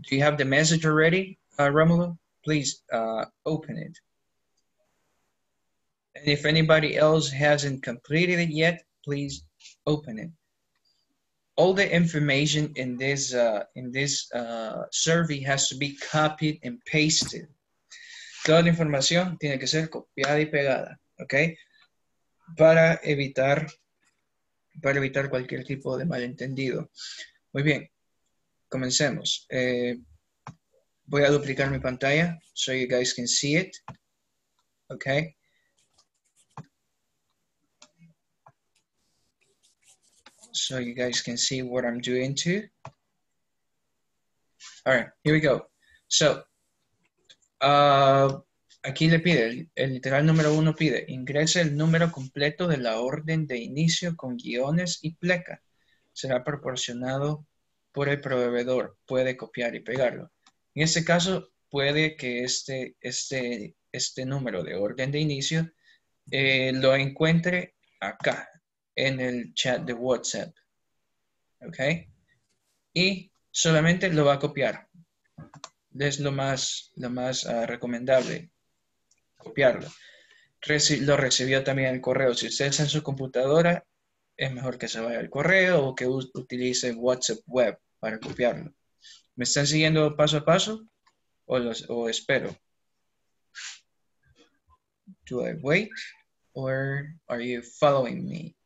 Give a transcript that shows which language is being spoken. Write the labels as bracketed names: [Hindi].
[English] Do you have the message already, Romulo? Please open it. And if anybody else hasn't completed it yet, please open it. All the information in this survey has to be copied and pasted. [Spanish] Toda la información tiene que ser copiada y pegada, okay? Para evitar cualquier tipo de malentendido. Muy bien, comencemos. Voy a duplicar mi pantalla [English] so you guys can see it, [Spanish] okay? [English] So you guys can see what I'm doing too. All right, here we go. [Spanish] So, aquí le pide, el literal número uno pide, ingrese el número completo de la orden de inicio con guiones y pleca. Será proporcionado por el proveedor. Puede copiar y pegarlo. En este caso, puede que este número de orden de inicio lo encuentre acá, en el chat de WhatsApp. Okay, y solamente lo va a copiar. Es lo más recomendable, copiarlo. Lo recibió también el correo. Si usted está en su computadora, es mejor que se vaya al correo o que utilice WhatsApp Web para copiarlo. ¿Me están siguiendo paso a paso o espero? [English] Do I wait or are you following me?